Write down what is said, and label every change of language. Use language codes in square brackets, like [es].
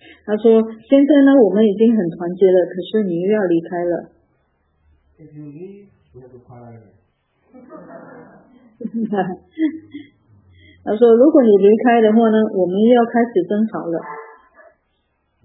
[zh] 他说：“现在呢，我们已经很团结了，可是你又要离开了。” [en] If you leave, we have to part again. [zh] 他说：“如果你离开的话呢，我们又要开始争吵了。”